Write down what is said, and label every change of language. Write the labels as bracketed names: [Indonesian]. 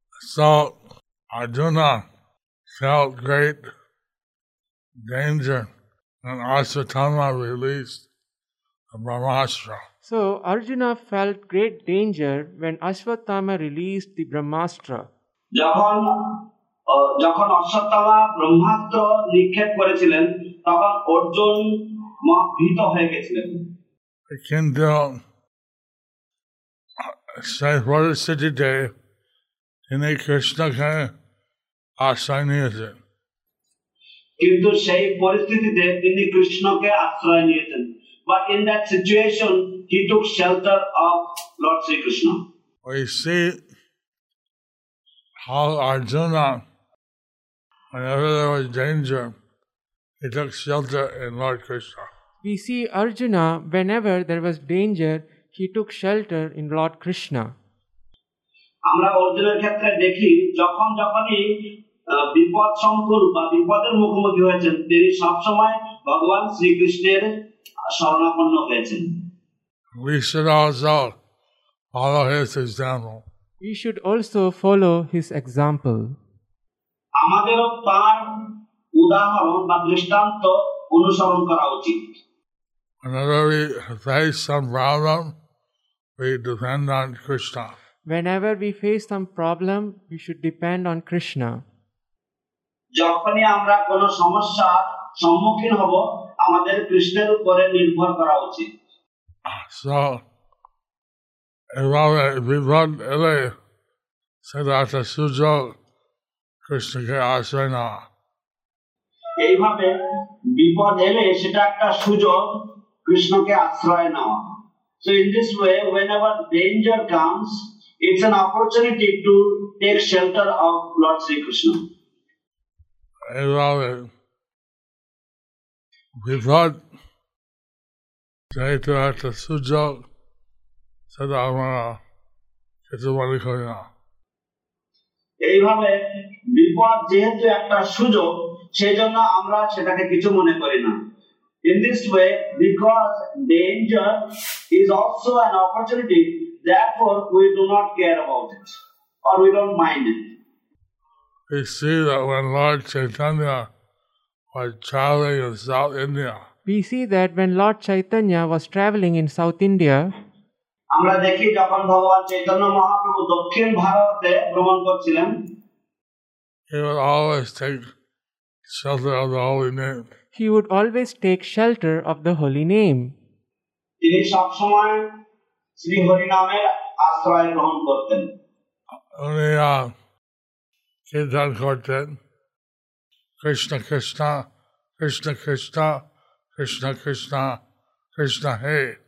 [English] So Arjuna felt great danger when Ashwatthama released the Brahmastra. So Arjuna felt great danger when Ashwatthama released the Brahmastra. [Bangla] যখন অশ্বত্থামা ব্রহ্মাস্ত্র নিক্ষেপ করেছিলেন তখন অর্জুন ভীত হয়ে গেছিলেন। কিন্তু সেই পরিস্থিতিতে তিনি কৃষ্ণকে আশ্রয় নিয়েছেন। কিন্তু সেই পরিস্থিতিতে তিনি কৃষ্ণকে আশ্রয় নিয়েছেন। [English] But in that situation, he took shelter of Lord Sri Krishna. We see how Arjuna, whenever there was danger, he took shelter in Lord Krishna. We see Arjuna, whenever there was danger, he took shelter in Lord Krishna. [Bangla] আমরা অর্জুনের ক্ষেত্রে দেখি যখন যখনই বিপদ সংকুল বা বিপদের মুখোমুখি হয়েছেন তিনি সবসময় ভগবান শ্রীকৃষ্ণের শরণাপন্ন হয়েছেন। [English] We should also follow his example. We should also follow his example. [Bangla] আমাদেরও তার উদাহরণ বা দৃষ্টান্ত অনুসরণ করা উচিত। [English] Whenever we face some problem, we depend on Krishna. Whenever we face some problem, we should depend on Krishna. [Bangla] যখনই আমরা কোনো সমস্যা সম্মুখীন হব, আমাদের কৃষ্ণের উপরে নির্ভর করা উচিত। So, এভাবে সেটা সুযোগ কৃষ্ণকে আশ্রয় নেওয়া। এইভাবে বিপদ এলে সেটা একটা সুযোগ কৃষ্ণকে আশ্রয় নেওয়া। [English] So in this way, whenever danger comes, it's an opportunity to take shelter of Lord Sri Krishna. [Bangla] এইভাবে বিপদ যেহেতু একটা সুযোগ সেটা আমরা কিছু মনে করি না। এইভাবে বিপদ যেহেতু একটা সুযোগ সেজন্য আমরা সেটাকে কিছু মনে করি না। [English] In this way, because danger is also an opportunity, therefore we do not care about it or we don't mind it. We see that when Lord Chaitanya was traveling in South India, we see that when Lord Chaitanya was traveling in South India, [Bangla] আমরা দেখি যখন ভগবান চৈতন্য মহাপ্রভু দক্ষিণ ভারতে ভ্রমণ করছিলেন, [English] he would always take shelter of the holy name. He would always take shelter of the holy name. [Bangla] তিনি সবসময় শ্রী হরি নামের আশ্রয় গ্রহণ করতেন। উনি কীর্তন করতেন, কৃষ্ণ কৃষ্ণ কৃষ্ণ কৃষ্ণ কৃষ্ণ কৃষ্ণ কৃষ্ণ হে।